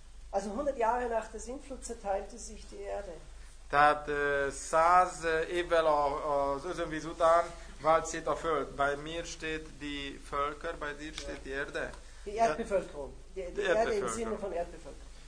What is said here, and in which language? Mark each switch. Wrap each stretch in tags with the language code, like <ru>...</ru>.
<de>Also 100 Jahre nach der Sintflut zerteilte sich die Erde.</de> <hu>Tehát 100 évvel az özönvíz után vált szét a föld.</hu> <de>Bei mir steht die Völker, bei dir steht die Erde. Die Erdbevölkerung. Die Erde im Sinne von Erdbevölkerung.</de>